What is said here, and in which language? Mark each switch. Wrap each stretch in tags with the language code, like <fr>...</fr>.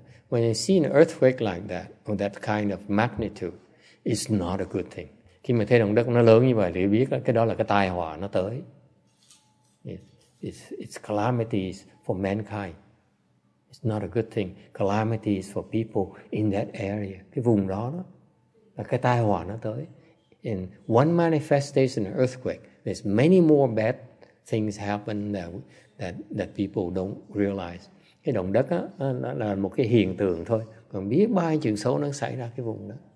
<en>When you see an earthquake like that, or that kind of magnitude, it's not a good thing.</en> <vi>Khi mà thấy động đất nó lớn như vậy thì biết là cái đó là cái tai họa nó tới.</vi> <en>It's calamities for mankind. It's not a good thing. Calamities for people in that area.</en> <vi>Cái vùng đó đó là cái tai họa nó tới.</vi> <en>In one manifestation of earthquake, there's many more bad things happen that people don't realize.</en> <vi>Cái động đất á nó là một cái hiện tượng thôi, còn biết bao chuyện xấu nó xảy ra cái vùng đó.</vi>